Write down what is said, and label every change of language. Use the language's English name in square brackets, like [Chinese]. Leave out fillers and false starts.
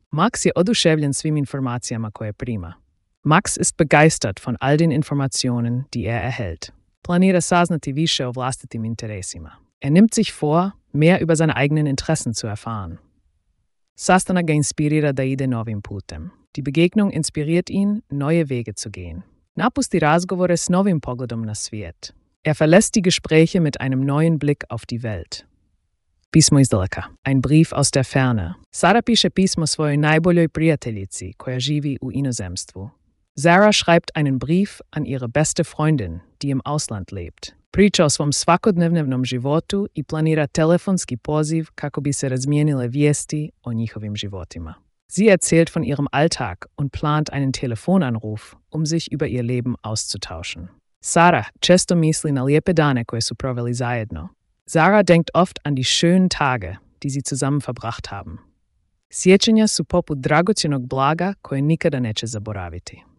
[Croatian] Max je oduševljen svim informacijama koje prima. [German] Max ist begeistert von all den Informationen, die er erhält. [Croatian] Planira saznati više o vlastitim interesima. [German] Er nimmt sich vor, mehr über seine eigenen Interessen zu erfahren. [Croatian] Sastanak ga inspirira da ide novim putem. [German] Die Begegnung inspiriert ihn, neue Wege zu gehen. [Croatian] Napusti razgovore s novim pogledom na svijet. [German] Er verlässt die Gespräche mit einem neuen Blick auf die Welt. [Croatian] Pismo izdaleka. [German] Ein Brief aus der Ferne. [Croatian] Sara piše pismo svojoj najboljoj prijateljici, koja živi u inozemstvu. [German] Sara schreibt einen Brief an ihre beste Freundin, die im Ausland lebt. [Croatian] Priča o svom svakodnevnom životu i planira telefonski poziv kako bi se razmijenile vijesti o njihovim životima. [German] Sie erzählt von ihrem Alltag und plant einen Telefonanruf, um sich über ihr Leben auszutauschen. [Croatian] Sara često misli na lijepe dane koje su proveli zajedno. [German] Sara denkt oft an die schönen Tage, die sie zusammen verbracht haben. [Croatian] Sjećanja su poput dragocjenog blaga koje nikada neće zaboraviti.